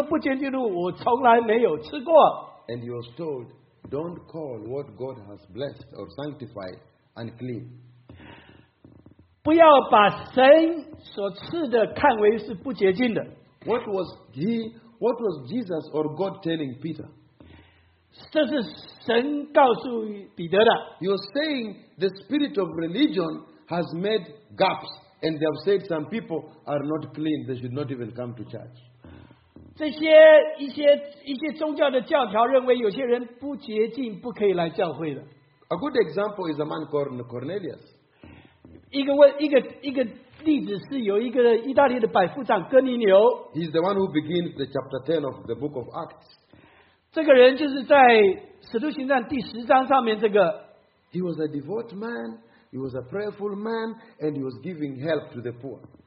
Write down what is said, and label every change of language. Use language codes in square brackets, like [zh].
[zh] 彼得却说，主啊，这是不可的，凡是无可不坚硬的，我从来没有吃过。 [en] And he was told, don't call what God has blessed or sanctified unclean. [zh] 不要把神所赐的看为是不洁净的。 [en] What was Jesus or God telling Peter? [zh] 这是神告诉彼得的。 [en] You're saying the spirit of religion has made gaps, and they have said some people are not clean, they should not even come to church. [zh] 这些一些宗教的教条认为有些人不洁净不可以来教会的。 [en] A good example is a man called Cornelius. [zh] 一个例子是有一个意大利的百夫长哥尼流。 [en] He's the one who begins the chapter 10 of the book of Acts. [zh] 这个人就是在使徒行传第10章上面这个。 [en] He was a devout man, he was a prayerful man, and he was giving help to the poor.